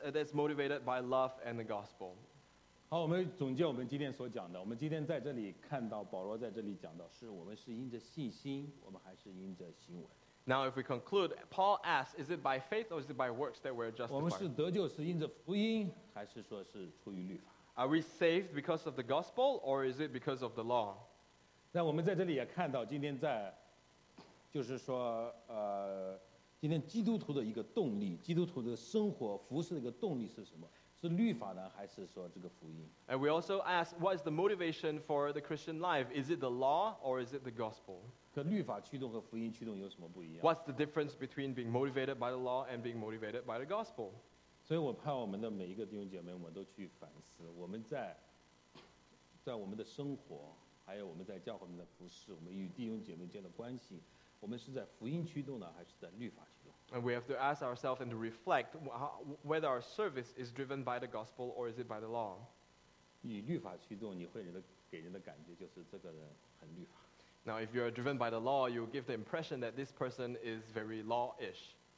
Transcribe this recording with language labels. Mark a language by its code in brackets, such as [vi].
[en] that is motivated by love and the gospel. [zh] 好，我们总结我们今天所讲的。我们今天在这里看到保罗在这里讲到，是我们是因着信心，我们还是因着行为。 [en] Now, if we conclude, Paul asks, is it by faith or is it by works that we're justified? [zh] 我们是得救是因着福音，还是说是出于律法？ [en] Are we saved because of the gospel or is it because of the law? [zh] 那我们在这里也看到，今天在，就是说，今天基督徒的一个动力，基督徒的生活服事的一个动力是什么？是律法呢，还是说这个福音？ [en] And we also ask, what is the motivation for the Christian life? Is it the law or is it the gospel? [zh] 可律法驱动和福音驱动有什么不一样？ [en] What's the difference between being motivated by the law and being motivated by the gospel? [zh] 所以我盼我们的每一个弟兄姐妹，我们都去反思，我们在我们的生活，还有我们在教会里面的服事，我们与弟兄姐妹间的关系，我们是在福音驱动呢，还是在律法驱动？ [en] And we have to ask ourselves and to reflect whether our service is driven by the gospel or is it by the law. [zh] 以律法驱动，你会给人的感觉就是这个人很律法。 [en] Now, if you are driven by the law, you give the impression that this person is very law-ish.